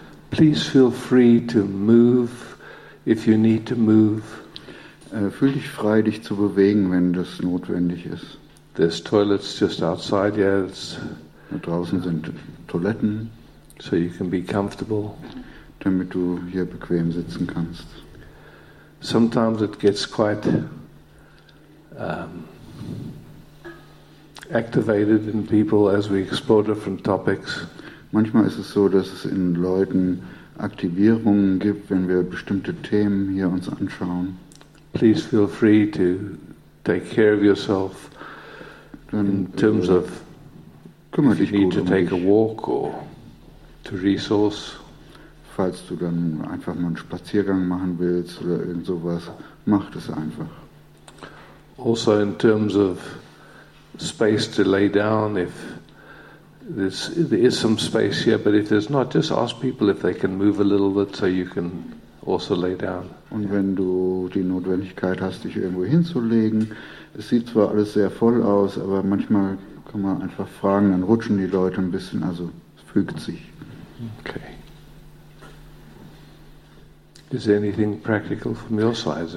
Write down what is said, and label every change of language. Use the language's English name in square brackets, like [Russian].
[English] Please feel free to move if you need to move. [German] Fühl dich frei, dich zu bewegen, wenn das notwendig ist. [English] There's toilets just outside, yes. [German] Da draußen sind Toiletten. [English] So you can be comfortable. [German] Damit du hier bequem sitzen kannst. [English] Sometimes it gets quite activated in people as we explore different topics. [German] Manchmal ist es so, dass es in Leuten Aktivierungen gibt, wenn wir bestimmte Themen hier uns anschauen. [English] Please feel free to take care of yourself. [German] Dann, [English] in terms of [German] kümmere dich [English] if you need to take [German] mich. [English] A walk or to resource. [German] Falls du dann einfach mal einen Spaziergang machen willst oder irgend sowas, mach das einfach. [English] Also in terms of space to lay down, if there is some space here, but if there's not, just ask people if they can move a little bit so you can also lay down. [German] Und wenn du die Notwendigkeit hast, dich irgendwo hinzulegen, es sieht zwar alles sehr voll aus, aber manchmal kann man einfach fragen, dann rutschen die Leute ein bisschen, also es fügt sich. [English] Okay. Is there anything practical from your side?